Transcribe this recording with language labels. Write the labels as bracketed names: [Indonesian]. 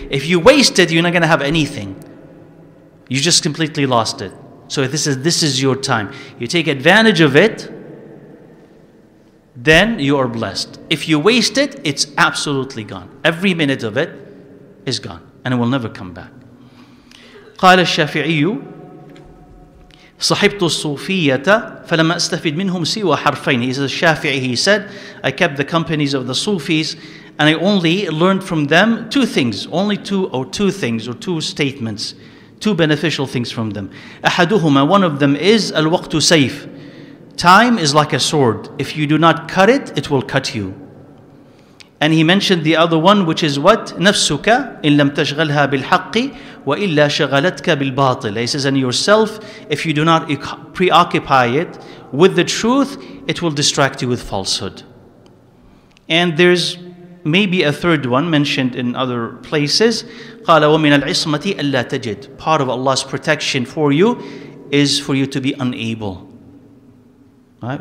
[English] If you waste it, you're not going to have anything. You just completely lost it. So this is your time. You take advantage of it then you are blessed. If you waste it, it's absolutely gone. Every minute of it is gone, and it will never come back. [Arabic] قال الشافعي صحبت الصوفية فلم أستفد منهم سوى حرفين. [English] He says, Shafi'i, he said, I kept the companies of the Sufis and I only learned from them two things, only two or two things or two statements, two beneficial things from them. [Arabic] أحدهما, [English] one of them is [Arabic] الوقت سيف. [English] Time is like a sword. If you do not cut it, it will cut you. And he mentioned the other one, which is what? [Arabic] نفسك إن لم تشغلها بالحق وإلا شغلتك بالباطل. [English] He says, and yourself, if you do not preoccupy it with the truth, it will distract you with falsehood. And there's maybe a third one mentioned in other places. [Arabic] قال ومن العصمة ألا تجد. [English] Part of Allah's protection for you is for you to be unable, right?